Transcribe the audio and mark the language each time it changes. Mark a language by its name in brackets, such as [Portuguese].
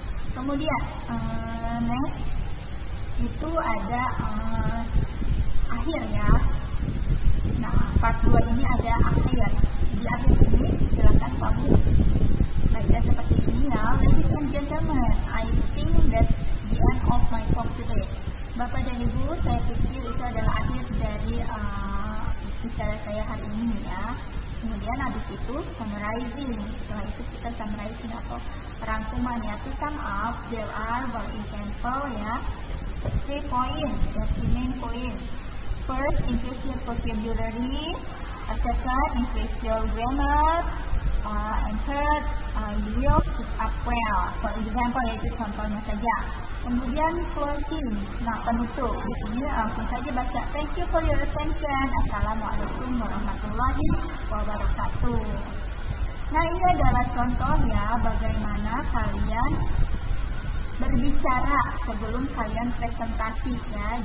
[Indonesian] Kemudian next itu ada akhir ya. Nah, part 2 ini ada akhir. Di akhir ini silakan kamu baca seperti ini ya. [English] Ladies and gentlemen, I think that's the end of my talk today. [Indonesian] Bapak dan Ibu, saya pikir itu adalah akhir dari bicara saya hari ini ya. Kemudian habis itu summarizing. Setelah itu kita summarizing atau rangkuman ya. [English] To sum up, there are for example ya 3 points, the 3 main points. First, increase your vocabulary. Second, increase your grammar. And third, Will speak up well. For example, [Indonesian] yaitu contohnya saja. Kemudian closing, nah penutup. Di sini langsung saja baca [English] thank you for your attention. [Arabic] Assalamualaikum warahmatullahi wabarakatuh. [Indonesian] Nah ini adalah contoh ya bagaimana kalian berbicara sebelum kalian presentasi ya.